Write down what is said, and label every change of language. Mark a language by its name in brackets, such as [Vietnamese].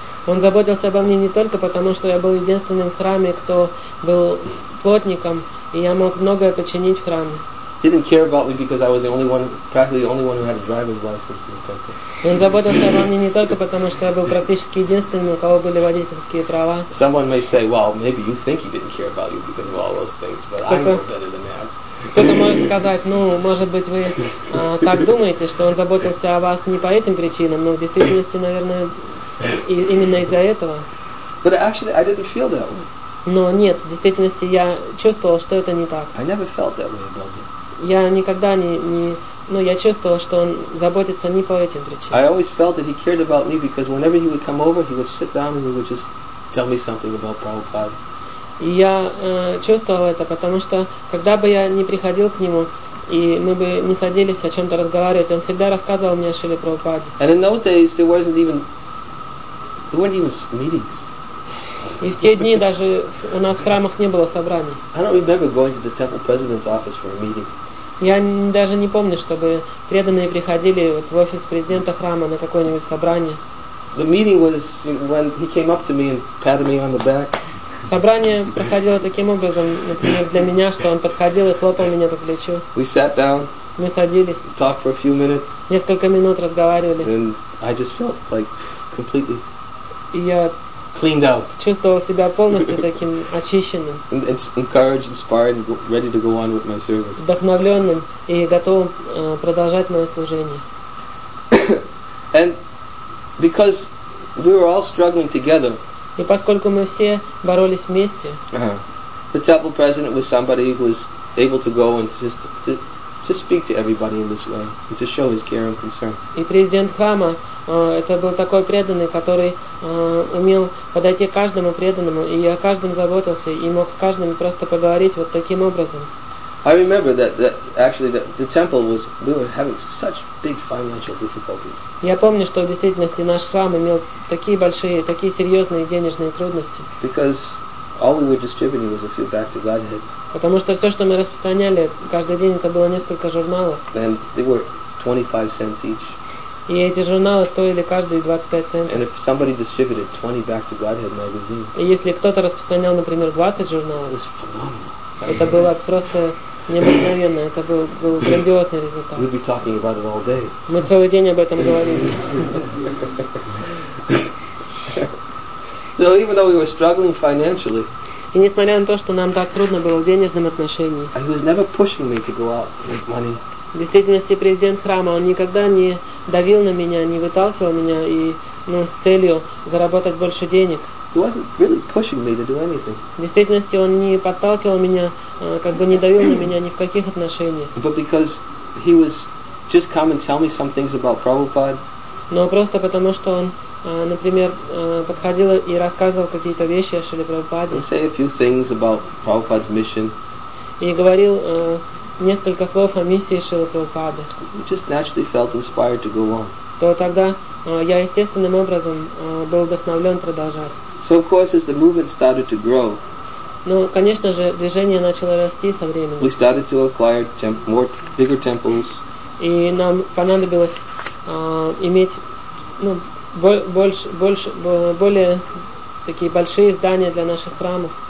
[Russian] Он заботился обо мне не только потому, что я был единственным в храме, кто был плотником, и я мог многое починить в храме. [English] He didn't care about me because I was the only one, practically the only one who had a driver's license in the temple. [Russian] Он заботился обо мне не только потому, что я был практически единственным, у кого были водительские права. [English] Someone may say, well, maybe you think he didn't care about you because of all those things, but I know better than that. [Russian] Кто-то может сказать, ну, может быть, вы так думаете, что он заботился о вас не по этим причинам, но в действительности, наверное, именно из-за этого. [English] But actually, I didn't feel that way. [Russian] Но нет, в действительности я чувствовал, что это не так. [English] I never felt that way about him. [Russian] Я никогда не... Ну, я чувствовал, что он заботится не по этим причинам. [English] I always felt that he cared about me because whenever he would come over, he would sit down and he would just tell me something about Prabhupada. [Russian] И я чувствовал это, потому что когда бы я не приходил к нему, и мы бы не садились о чем-то разговаривать, он всегда рассказывал мне о Шриле Прабхупаде. [English] And in those days there weren't even meetings. [Russian] И в те дни даже у нас в храмах не было собраний. [English] I don't remember going to the temple president's office for a meeting. [Russian] Я даже не помню, чтобы преданные приходили вот в офис президента храма на какое-нибудь собрание. [English] The meeting was when he came up to me and patted me on the back. [Russian] Собрание проходило таким образом, например, для меня, что он подходил и хлопал меня по плечу. [English] We sat down. [Russian] Мы садились. [English] Talked for a few minutes. [Russian] Несколько минут разговаривали. [English] And I just felt like completely. [Russian] И я [English] cleaned out. [Russian] Чувствовал себя полностью таким очищенным. [English] Encouraged, inspired, ready to go on with my service. [Russian] Вдохновленным и готовым продолжать мое служение. [English] And because we were all struggling together. [Russian] И поскольку мы все боролись вместе, [English] The temple president was somebody who was able to go and just to speak to everybody in this way and to show his care and concern. [Russian] И президент храма это был такой преданный, который умел подойти к каждому преданному и о каждом заботился и мог с каждым просто поговорить вот таким образом. [English] I remember that the temple was, we were having such big financial difficulties. [Russian] Я помню, что в действительности наш храм имел такие большие, такие серьезные денежные трудности. [English] Because All we were distributing was a few Back to Godheads. [Russian] Потому что все, что мы распространяли каждый день, это было несколько журналов. [English] And they were 25 cents each. [Russian] И эти журналы стоили каждые 25 центов. [English] And if somebody distributed 20 Back to Godhead magazines. [Russian] И если кто-то распространял, например, 20 журналов. [English] It's phenomenal. [Russian] Это было просто необыкновенно. Это был грандиозный результат. [English] We'd be talking about it all day. [Russian] Мы целый день об этом говорили. [English] So even though we were struggling financially. [Russian] И несмотря на то, что нам так трудно было в денежном отношении. [English] He was never pushing me to go out with money. [Russian] В действительности президент храма, он никогда не давил на меня, не выталкивал меня и, ну, с целью заработать больше денег. [English] He wasn't really pushing me to do anything. [Russian] В действительности он не подталкивал меня, как бы не давил на меня ни в каких отношениях. [English] But because he was just come and tell me some things about Prabhupada. [Russian] Но просто потому, что он, например, подходил и рассказывал какие-то вещи о Шриле Прабхупаде. [English] And say a few things about Prabhupada's mission. [Russian] И говорил несколько слов о миссии Шрилы Прабхупады. [English] You just naturally felt inspired to go on. [Russian] То тогда я естественным образом был вдохновлен продолжать. [English] So of course, as the movement started to grow. [Russian] Ну, конечно же, движение начало расти со временем. [English] We started to acquire bigger temples. [Russian] И нам понадобилось иметь, ну, более такие большие здания для наших храмов.